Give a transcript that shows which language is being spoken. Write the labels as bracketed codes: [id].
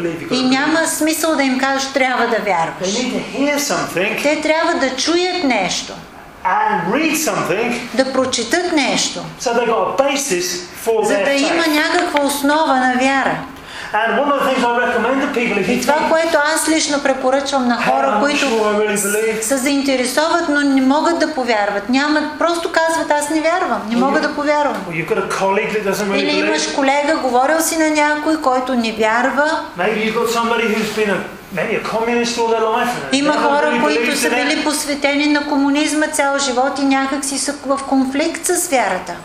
[bg] И няма смисъл да им кажеш, трябва да вярваш. Те трябва да чуят нещо. [en] And read something, [bg] да прочитат нещо. [en] So they got a basis for [bg] за да има някаква основа на вяра. [en] And one of the things I recommend to people if you [bg] това, което аз лично препоръчвам на хора, които са заинтересуват, но не могат да повярват. Нямат, просто казват, аз не вярвам, не мога да повярвам. [en] Well, you've got a colleague that doesn't really believe. [bg] Или имаш колега, говорил си на някой, който не вярва. [en] Maybe you've got somebody who's been maybe a communist all their life. [bg] Има хора, които са били посветени на комунизма цял живот и някак си са в конфликт с вярата.